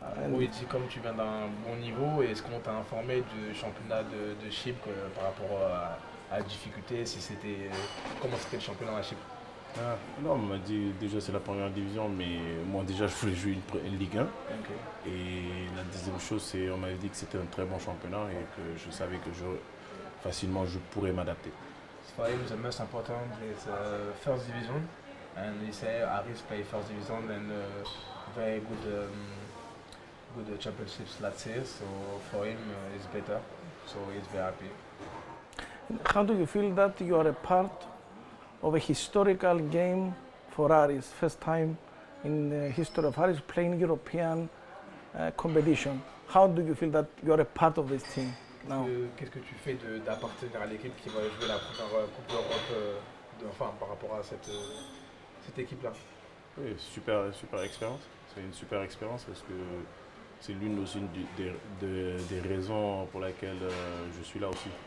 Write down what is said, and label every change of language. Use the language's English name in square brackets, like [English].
[French] Oui, c'est comme tu viens d'un bon niveau, est-ce qu'on t'a informé du championnat de Chypre par rapport à la difficulté, si c'était, comment c'était le championnat à Chypre? Ah, non, on m'a dit déjà c'est la première division, mais moi déjà je voulais jouer une Ligue 1. Okay. Et la deuxième chose, c'est on m'avait dit que c'était un très bon championnat et que je savais que je pourrais m'adapter. [English] For him, the most important is first division, and he said Aris play first division and very good. Good championships last year, so for him it's better, so he's very happy. How do you feel that you are a part of a historical game for Aris, first time in the history of Aris playing European competition? How do you feel that you are a part of this team now? [French] Qu'est-ce que tu fais d'appartenir à l'équipe qui va jouer la première Coupe d'Europe par rapport à cette équipe-là? Oui, super, super expérience. C'est une super expérience parce que c'est l'une aussi des raisons pour laquelle je suis là aussi.